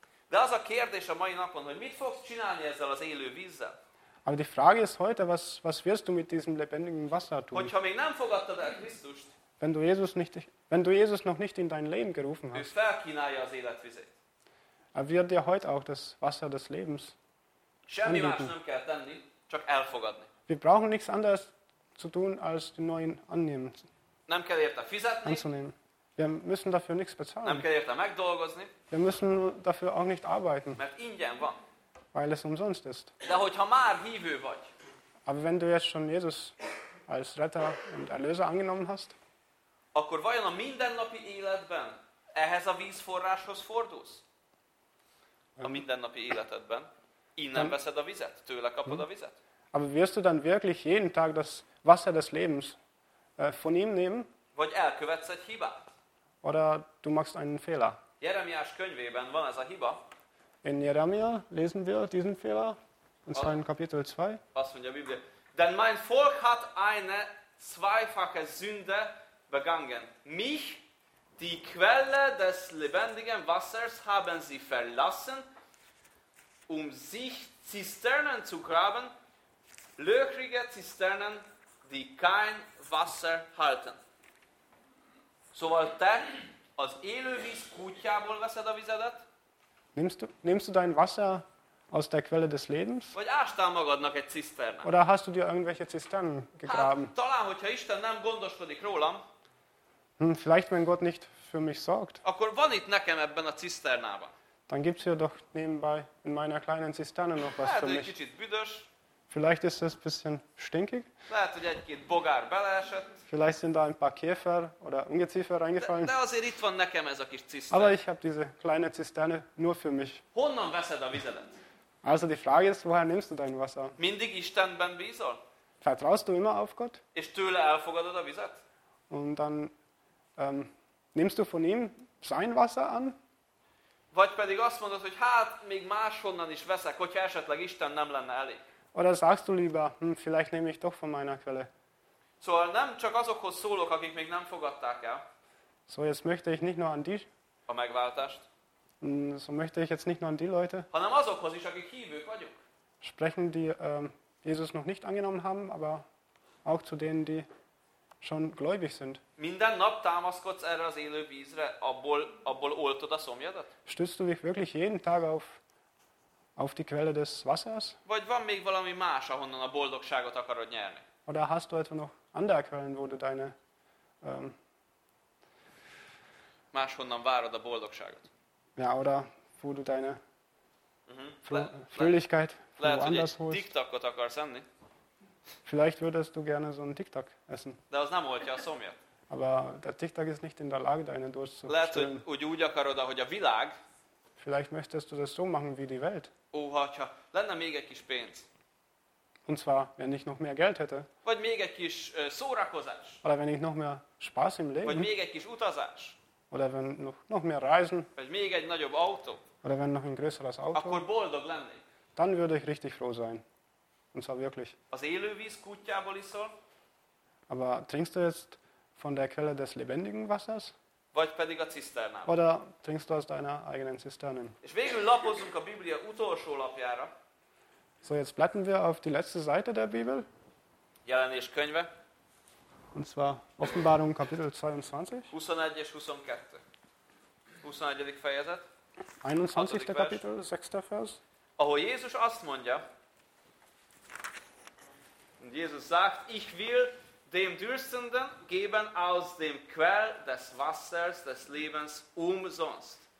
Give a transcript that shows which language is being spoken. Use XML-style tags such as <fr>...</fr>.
<hu>De az a kérdés a mai napon, hogy mit fogsz csinálni ezzel az élő vízzel?</hu> <de>Aber die Frage ist heute, was wirst du mit diesem lebendigen Wasser tun?</de> <hu>Hogyha még nem fogadtad el Krisztust,</hu> <de>wenn du Jesus noch nicht in dein Leben gerufen hast,</de> <hu>ő felkínálja az életvizet.</hu> <de>Er wird dir heute auch das Wasser des Lebens anbieten.</de> <hu>Semmi más nem kell tenni, csak elfogadni.</hu> <de>Wir brauchen nichts anderes zu tun, als den neuen annehmen.</de> <hu>Nem kell érte fizetni.</hu> <de>Anzunehmen. Wir müssen dafür nichts bezahlen.</de> <hu>Nem kell érte megdolgozni.</hu> <de>Wir müssen dafür auch nicht arbeiten.</de> <hu>Mert ingyen van.</hu> <de>Weil es umsonst ist.</de> <hu>De hogyha már hívő vagy.</hu> <de>Aber wenn du jetzt schon Jesus als Retter und Erlöser angenommen hast,</de> <hu>akkor vajon a mindennapi életben ehhez a vízforráshoz fordulsz? A mindennapi életedben innen veszed a vizet, tőle kapod a vizet?</hu> <de>Aber wirst du dann wirklich jeden Tag das Wasser des Lebens von ihm nehmen?</de> <hu>Vagy elkövetsz egy hibát?</hu> <de>Oder du machst einen Fehler?</de> <hu>Jeremiás könyvében van ez a hiba.</hu> <de>In Jeremia lesen wir diesen Fehler in seinem Kapitel 2. Was von der Bibel? Denn mein Volk hat eine zweifache Sünde begangen. Mich, die Quelle des lebendigen Wassers, haben sie verlassen, um sich Zisternen zu graben, löchrige Zisternen, die kein Wasser halten. So wollte als</de> <hu>Elövis Kutjabol veszed a vizedet.</hu> <de>Nimmst du dein Wasser aus der Quelle des Lebens?</de> <hu>Vagy ástál magadnak egy ciszternát?</hu> <de>Oder hast du dir irgendwelche Zisternen gegraben?</de> <hu>Hát, talán, hogyha Isten nem gondoskodik rólam,</hu> <de>vielleicht, wenn Gott nicht für mich sorgt,</de> <hu>akkor van itt nekem ebben a ciszternában.</hu> <de>Dann gibt's hier doch nebenbei in meiner kleinen Zisterne noch was</de> <hu>lehet,</hu> <de>für mich.</de> <hu>Lehet, hogy kicsit büdös.</hu> <de>Vielleicht ist es ein bisschen stinkig.</de> <hu>Lehet, hogy egy-két bogár beleesett.</hu> <de>Vielleicht sind da ein paar Käfer oder Ungeziefer reingefallen.</de> <hu>De azért itt van nekem ez a kis ciszterne.</hu> <de>Aber ich habe diese kleine Zisterne nur für mich.</de> <hu>Honnan veszed a vizedet?</hu> <de>Also die Frage ist, woher nimmst du dein Wasser?</de> <hu>Mindig Istenben bízol?</hu> <de>Vertraust du immer auf Gott?</de> <hu>És tőle elfogadod a vizet?</hu> <de>Und dann nimmst du von ihm sein Wasser an?</de> <hu>Vagy pedig azt mondod, hogy hát, még máshonnan is veszek, hogyha esetleg Isten nem lenne elég.</hu> <de>Oder sagst du lieber, vielleicht nehme ich doch von meiner Quelle.</de> <hu>Szóval nem csak azokhoz szólok, akik még nem fogadták el.</hu> <de>So jetzt möchte ich nicht nur an die.</de> <hu>A megváltást.</hu> <de>So möchte ich jetzt nicht nur an die Leute.</de> <hu>Hanem azokhoz is, akik hívők vagyunk.</hu> <de>Sprechen, die Jesus noch nicht angenommen haben, aber auch zu denen, die schon gläubig sind.</de> <hu>Minden nap támaszkodsz erre az élő vízre, abból oltod a szomjadat?</hu> <de>Stützt du dich wirklich jeden Tag auf die Quelle des Wassers?</de> <hu>Vagy van még valami más, ahonnan a boldogságot akarod nyerni?</hu> <de>Oder hast du etwa noch andere Quellen, wo du deine</de> <hu>máshonnan várod a boldogságot?</hu> <de>Ja, oder wo du deine Fröhlichkeit woanders holst?</de> <hu>Lehet, hogy egy TikTokot akarsz enni?</hu> <de>Vielleicht würdest du gerne so einen TikTok essen.</de> <hu>De az nem oltja a szomjat.</hu> <de>Aber der TikTok ist nicht in der Lage, deine Durst zu stillen.</de> <hu>Lehet, hogy úgy akarod, ahogy a világ.</hu> <de>Vielleicht möchtest du das so machen wie die Welt.</de> <hu>Óhatja, lenne még egy kis pénz.</hu> <de>Und zwar, wenn ich noch mehr Geld hätte.</de> <hu>Vagy még egy kis szórakozás.</hu> <de>Oder wenn ich noch mehr Spaß im Leben.</de> <hu>Vagy még egy kis utazás.</hu> <de>Oder wenn noch mehr Reisen.</de> <hu>Vagy még egy nagyobb autó.</hu> <de>Oder wenn noch ein größeres Auto.</de> <hu>Akkor boldog lennék.</hu> <de>Dann würde ich richtig froh sein. Und zwar wirklich.</de> <hu>Az élővíz kútjából iszol?</hu> <de>Aber trinkst du jetzt von der Quelle des lebendigen Wassers?</de> <hu>Vagy pedig a ciszternában.</hu> <de>Oder trinkst du aus deiner eigenen Zisterne?</de> <hu>És végül lapozzunk a Biblia utolsó lapjára.</hu> <de>So, jetzt blättern wir auf die letzte Seite der Bibel.</de> <hu>Jelenés könyve.</hu> <de>Und zwar Offenbarung Kapitel 22.</de> <hu>21 és 22. 21. fejezet.</hu> <de>21. Kapitel, 6. Vers.</de> <hu>Ahol Jézus azt mondja,</hu> <de>und Jesus sagt, ich will dem Dürstenden geben aus dem Quell des Wassers des Lebens umsonst.</de>